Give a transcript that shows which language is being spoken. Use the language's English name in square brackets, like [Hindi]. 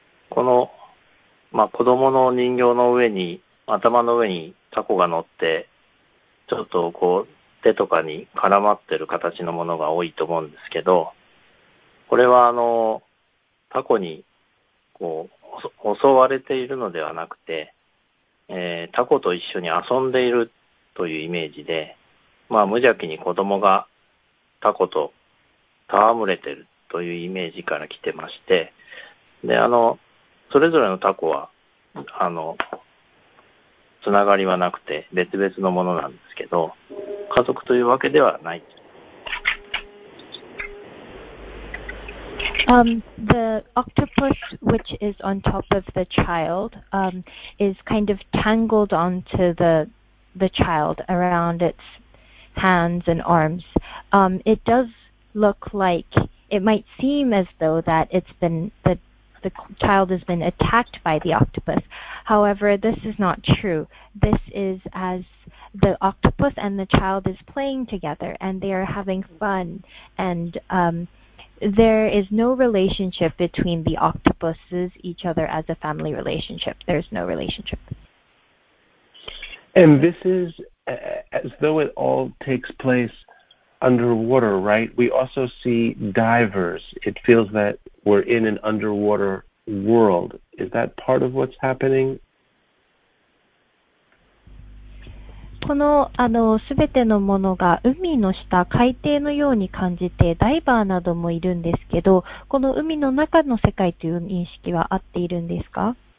[Japanese] この、まあ、子供の人形の上に、頭の上にタコが乗って、ちょっとこう、手とかに絡まってる形のものが多いと思うんですけど、これはタコに、こう、襲われているのではなくて、タコと一緒に遊んでいるというイメージで、まあ、無邪気に子供がタコと戯れてる。というイメージから来てまして、でそれぞれのタコはつながりはなくて別々のものなんですけど、家族というわけではない。 [English] The octopus which is on top of the child is kind of tangled onto the child around its hands and arms. It does look likeIt might seem as though that it's been the child has been attacked by the octopus. However, this is not true. This is as the octopus and the child is playing together and they are having fun. And there is no relationship between the octopuses, each other as a family relationship. There's no relationship. And this is as though it all takes place underwater, right? We also see divers. It feels that we're in an underwater world. Is that part of what's happening? [Japanese] この、すべてのものが海の下、海底のように感じて、ダイバーなどもいるんですけど、この海の中の世界という認識は合っているんですか？